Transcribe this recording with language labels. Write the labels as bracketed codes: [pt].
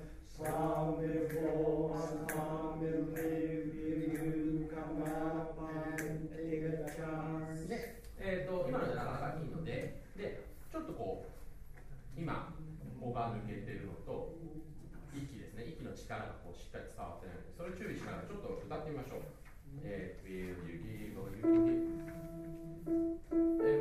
[en] Some will fall and some will live. Will you come up and take a chance? [ja] ね、今のでなかなかいいので、で。ちょっとこう今ここが抜けているのと息ですね、息の力がこうしっかり伝わっているので、それを注意しながらちょっと歌ってみましょう。 [en] Will you give all you can give?